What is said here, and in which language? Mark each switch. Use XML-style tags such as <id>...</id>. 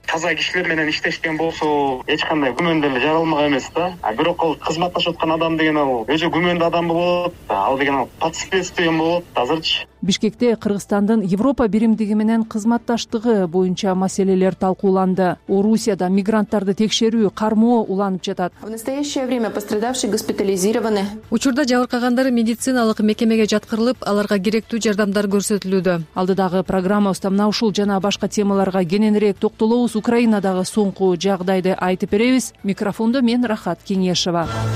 <ky>Таза кишилер менен иштешкен болсо эч кандай күмөн деле жаралмак эмес да. А бирок ал кызматташып аткан адам деген ал өзү күмөндү адам болот, ал деген ал пацифист деген болот азырчы. Бишкекте Кыргызстандын Европа биримдиги менен кызматташтыгы боюнча маселелер талкууланды. Орусияда мигранттарды текшерүү, кармоо уланып жатат.</ky> <ru>В настоящее время пострадавшие госпитализированы.</ru> <ky>Учурда жабыркагандар медициналык мекемеге жаткырылып, аларга керектүү жардамдар көрсөтүлүүдө. Алдыдагы программабызда мына ушул жана башка темаларга кененирээк токтолобуз. Украинадагы соңку жагдайды айтып беребиз. Микрофондо мен Рахат Кеңешова.</ky>